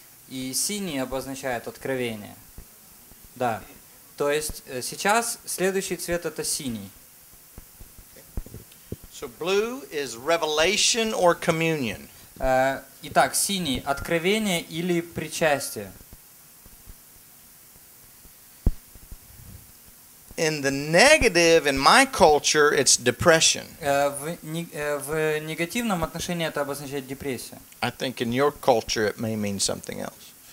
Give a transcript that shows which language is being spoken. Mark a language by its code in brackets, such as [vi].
[ru] И синий обозначает откровение. Да. То есть сейчас следующий цвет это синий. [en] So blue is revelation or communion. [ru] Итак, синий откровение или причастие. [en] In the negative, in my culture, it's depression. [ru] В негативном отношении это обозначает депрессия. [en] I think in your culture it may mean something else.